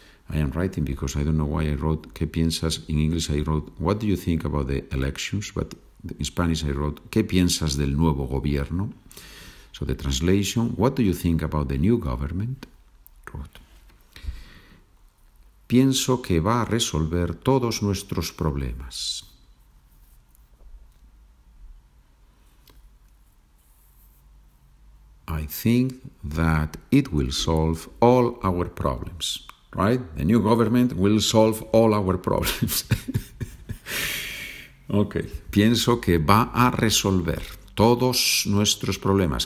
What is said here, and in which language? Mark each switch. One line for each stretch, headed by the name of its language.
English: I am writing because I don't know why I wrote
Spanish: ¿Qué piensas?
English: In English I wrote What do you think about the elections? But in Spanish I wrote
Spanish: ¿Qué piensas del nuevo gobierno?
English: So the translation What do you think about the new government? Wrote.
Spanish: Pienso que va a resolver todos nuestros problemas.
English: I think that it will solve all our problems. Right? The new government will solve all our problems. Okay.
Spanish: Pienso que va a resolver todos nuestros problemas.